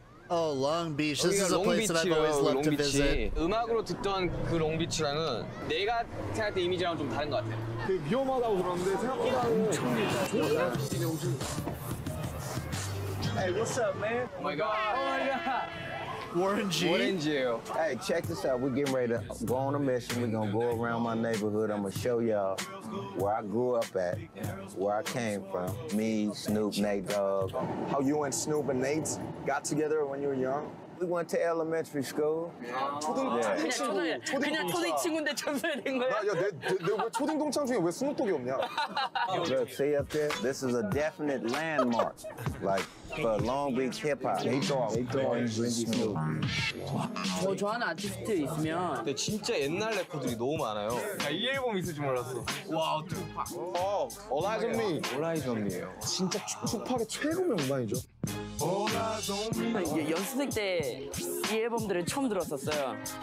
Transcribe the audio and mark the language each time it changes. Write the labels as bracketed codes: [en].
[en] Oh, Long Beach. This is a place that I've always loved to visit. [ko] 음악으로 듣던 그 롱비치랑은 내가 생각했던 이미지랑 좀 다른 것 같아. 되게 위험하다고 들었는데 생각보다는 엄청 위험해. [en] Hey, what's up, man? Oh my god. Oh my god. Warren G. Warren G. Hey, check this out. We're getting ready to go on a mission. We're gonna go around my neighborhood. I'm gonna show y'all where I grew up at, where I came from. Me, Snoop, Nate Dogg. How you and Snoop and Nate got together when you were young? We went to elementary school. See up there? This is a definite landmark. Like, for Long Beach hip hop. They thought he was really smooth. If you like an artist, there's a lot of old rappers. I didn't know this album. Wow, All Eyes on Me. All Eyes on Me. It's really the best album of hip hop. [ko] 연습생 때 이 앨범들을 처음 들었었어요.